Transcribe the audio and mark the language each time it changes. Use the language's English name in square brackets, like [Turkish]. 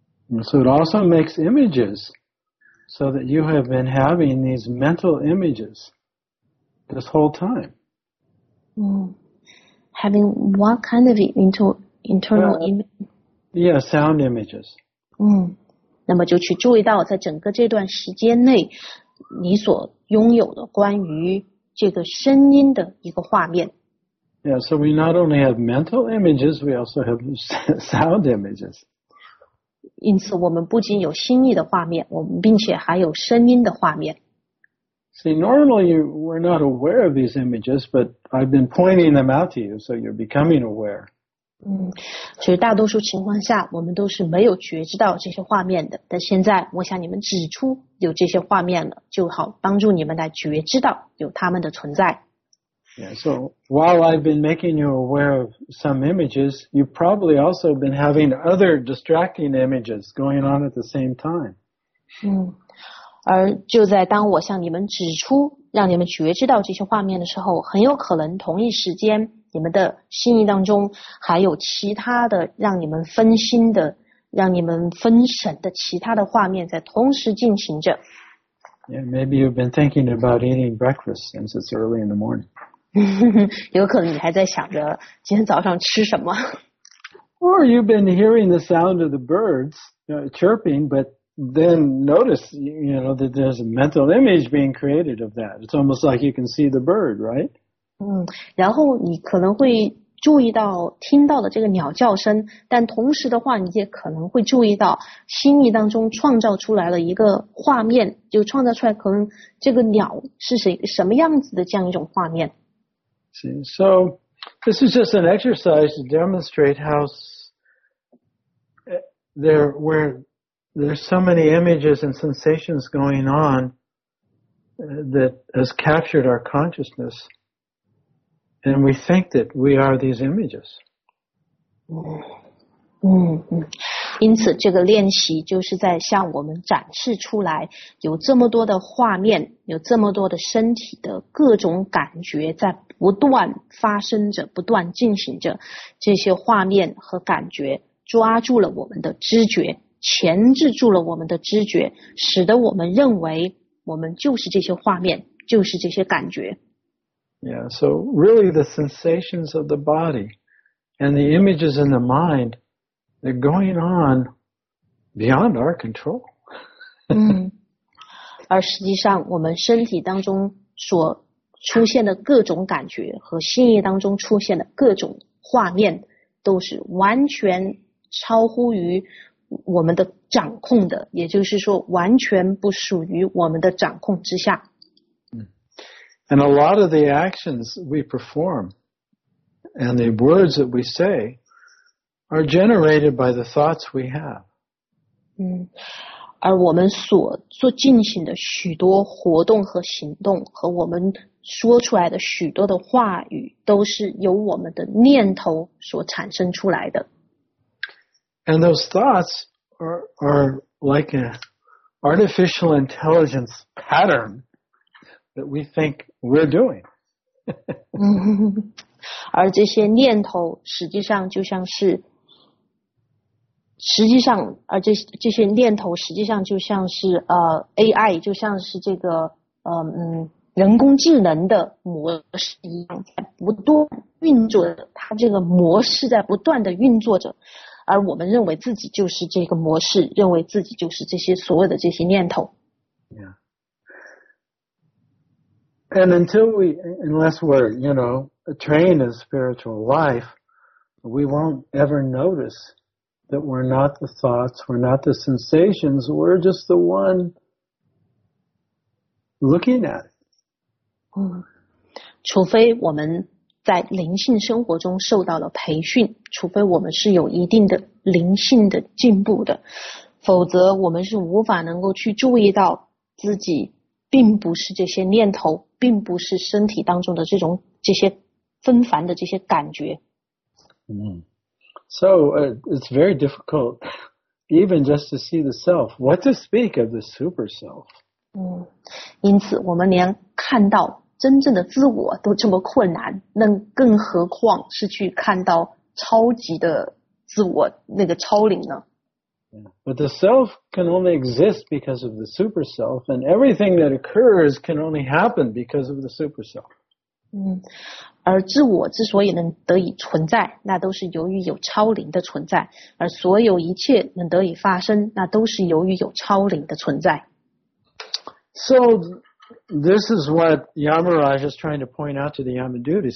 [English] And so it also makes images, so that you have been having these mental images this whole time. Having what kind of internal image? Yeah, sound images. [Chinese] 那么就去注意到，在整个这段时间内，你所拥有的关于这个声音的一个画面。 [English] Yeah, so we not only have mental images, we also have sound images. [Chinese] 因此，我们不仅有心意的画面，我们并且还有声音的画面。 [English] See, normally you were not aware of these images, but I've been pointing them out to you, so you're becoming aware. [Chinese] 其实大多数情况下，我们都是没有觉知到这些画面的。但现在，我向你们指出有这些画面了，就好帮助你们来觉知到有它们的存在。 [English] Yeah, so while I've been making you aware of some images, you've probably also been having other distracting images going on at the same time. [Chinese] 而就在当我向你们指出让你们觉知到这些画面的时候，很有可能同一时间你们的心意当中还有其他的让你们分心的让你们分神的其他的画面在同时进行着。 [English] Yeah, maybe you've been thinking about eating breakfast since it's early in the morning. [Chinese] 有可能你还在想着今天早上吃什么。 [English] Or you've been hearing the sound of the birds, you know, chirping, but then notice, you know, that there's a mental image being created of that. It's almost like you can see the bird, right? [Chinese] 嗯，然后你可能会注意到听到的这个鸟叫声，但同时的话，你也可能会注意到心意当中创造出来了一个画面，就创造出来可能这个鸟是谁什么样子的这样一种画面。 [English] See, so this is just an exercise to demonstrate how there's so many images and sensations going on that has captured our consciousness. And we think that we are these images. [Chinese] 因此这个练习就是在向我们展示出来有这么多的画面，有这么多的身体的各种感觉在不断发生着，不断进行着，这些画面和感觉抓住了我们的知觉，钳制住了我们的知觉，使得我们认为我们就是这些画面，就是这些感觉。 [English] Yeah, so really the sensations of the body and the images in the mind, they're going on beyond our control. [Chinese] 而实际上我们身体当中所出现的各种感觉和心意当中出现的各种画面都是完全超乎于我们的掌控的，也就是说完全不属于我们的掌控之下。 [English] And a lot of the actions we perform and the words that we say are generated by the thoughts we have. [Chinese] 而我们所做进行的许多活动和行动和我们说出来的许多的话语都是由我们的念头所产生出来的。 [English] And those thoughts are like an artificial intelligence pattern. That we think we're doing. [Chinese] 而这些念头实际上就像是，实际上，而这些念头实际上就像是AI， 就像是这个人工智能的模式一样，在不断运作着。它这个模式在不断的运作着，而我们认为自己就是这个模式，认为自己就是这些所有的这些念头。 [English] Yeah. And unless we're, you know, trained in spiritual life, we won't ever notice that we're not the thoughts, we're not the sensations, we're just the one looking at it. [Chinese] 除非我们在灵性生活中受到了培训，除非我们是有一定的灵性的进步的，否则我们是无法能够去注意到自己并不是这些念头。并不是身体当中的这种这些纷繁的这些感觉。 [English] So it's very difficult even just to see the self. What to speak of the super self? [Chinese] 因此我们连看到真正的自我都这么困难，那更何况是去看到超级的自我，那个超灵呢？ [English] But the self can only exist because of the super self, and everything that occurs can only happen because of the super self. [Chinese] 而自我之所以能得以存在，那都是由于有超灵的存在，而所有一切能得以发生，那都是由于有超灵的存在。 [English] So this is what Yamaraj is trying to point out to the Yamadutis.